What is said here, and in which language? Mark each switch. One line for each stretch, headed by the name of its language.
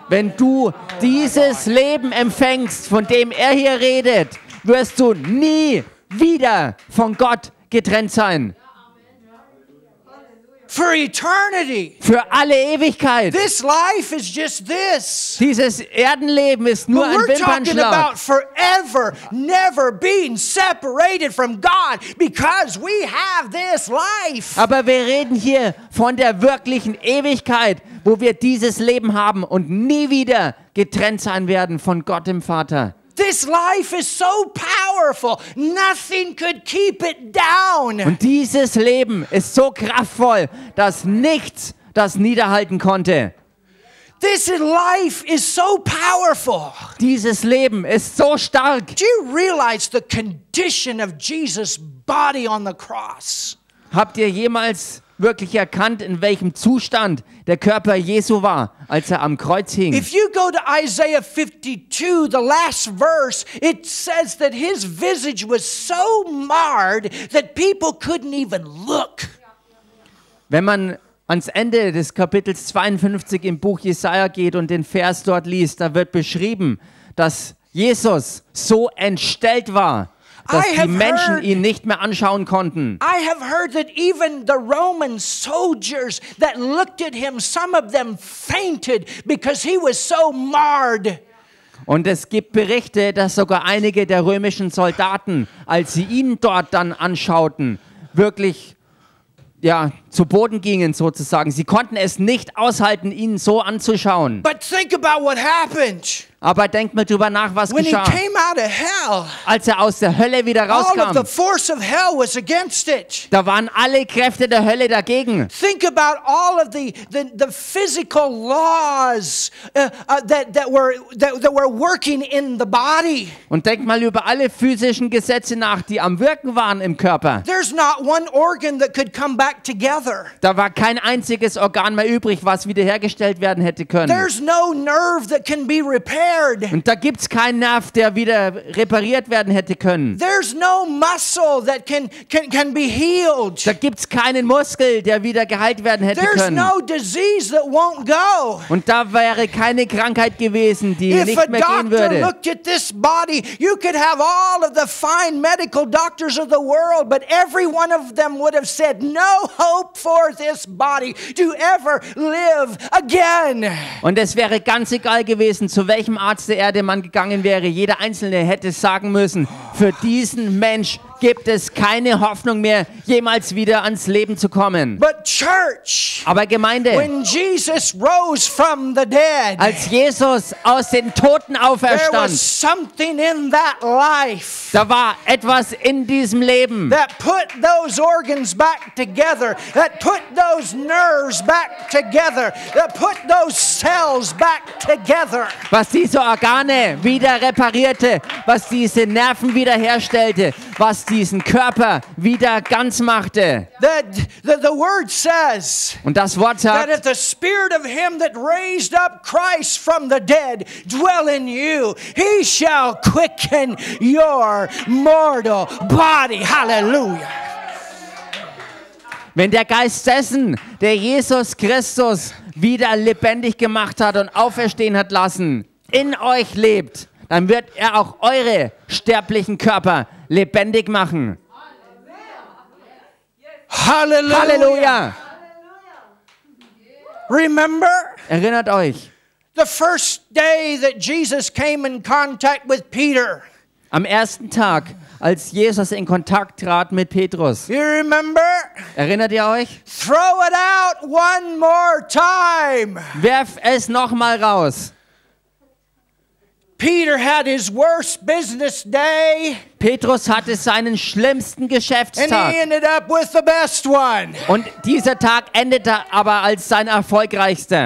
German: Wenn du dieses Leben empfängst, von dem er hier redet, wirst du nie wieder von Gott getrennt sein.
English: For eternity.
German: Für alle Ewigkeit.
English: This life is just this.
German: Dieses Erdenleben ist nur ein Wimpernschlag.
English: We're talking about forever, never being separated from God, because we have this life.
German: Aber wir reden hier von der wirklichen Ewigkeit, wo wir dieses Leben haben und nie wieder getrennt sein werden von Gott dem Vater.
English: This life is so powerful. Nothing could keep it down.
German: Und dieses Leben ist so kraftvoll, dass nichts das niederhalten konnte.
English: This life is so powerful.
German: Dieses Leben ist so stark.
English: Do you realize the condition of Jesus' body on the cross?
German: Habt ihr jemals wirklich erkannt, in welchem Zustand der Körper Jesu war, als er am Kreuz hing?
English: If you go to Isaiah 52, the last verse, it says that his visage was so marred that people couldn't even look.
German: Wenn man ans Ende des Kapitels 52 im Buch Jesaja geht und den Vers dort liest, da wird beschrieben, dass Jesus so entstellt war, dass die Menschen ihn nicht mehr anschauen konnten.
English: I have heard that even the Roman soldiers that looked at him, some of them fainted because he was so marred.
German: Und es gibt Berichte, dass sogar einige der römischen Soldaten, als sie ihn dort dann anschauten, wirklich ja, zu Boden gingen sozusagen. Sie konnten es nicht aushalten, ihn so anzuschauen.
English: But think about what happened.
German: Aber denkt mal drüber nach, was
English: when
German: geschah.
English: He came out of hell,
German: als er aus der Hölle wieder rauskam,
English: all of the force of hell was against it.
German: Da waren alle Kräfte der Hölle dagegen.
English: Think about all of the physical laws that were working in the body.
German: Und denkt mal über alle physischen Gesetze nach, die am Wirken waren im Körper.
English: There's not one organ that could come back together.
German: Da war kein einziges Organ mehr übrig, was wiederhergestellt werden hätte können.
English: There's no nerve that can be repaired.
German: Und da gibt's keinen Nerv, der wieder repariert werden hätte können.
English: There's no muscle that can be healed.
German: Da gibt's keinen Muskel, der wieder geheilt werden hätte
English: There's
German: können.
English: No disease that won't go.
German: Und da wäre keine Krankheit gewesen, die
English: If
German: nicht mehr gehen würde.
English: If a doctor looked at this body, you could have all of the fine medical doctors of the world, but every one of them would have said, no hope for this body to ever live again.
German: Und es wäre ganz egal gewesen, zu welchem Arzt der Erde man gegangen wäre, jeder Einzelne hätte sagen müssen, für diesen Mensch gibt es keine Hoffnung mehr, jemals wieder ans Leben zu kommen.
English: But Church,
German: aber Gemeinde,
English: when Jesus rose from the dead,
German: als Jesus aus den Toten auferstand,
English: there was something in that life,
German: da war etwas in diesem Leben,
English: that put those organs back together, that put those nerves back together, that put those cells back together.
German: Was diese Organe wieder reparierte, was diese Nerven wiederherstellte, was diesen Körper wieder ganz machte.
English: The word says,
German: und das Wort sagt,
English: that if the spirit of him that raised up Christ from the dead dwell in you, he shall quicken your mortal body. Halleluja.
German: Wenn der Geist dessen, der Jesus Christus wieder lebendig gemacht hat und auferstehen hat lassen, in euch lebt, dann wird er auch eure sterblichen Körper lebendig machen. Halleluja. Halleluja.
English: Remember?
German: Erinnert euch.
English: The first day that Jesus came in contact with Peter.
German: Am ersten Tag, als Jesus in Kontakt trat mit Petrus.
English: You remember?
German: Erinnert ihr euch?
English: Throw it out one more time.
German: Werf es noch mal raus.
English: Peter had his worst business day.
German: Petrus hatte seinen schlimmsten Geschäftstag.
English: And he ended up with the best one.
German: Und dieser Tag endete aber als sein erfolgreichster.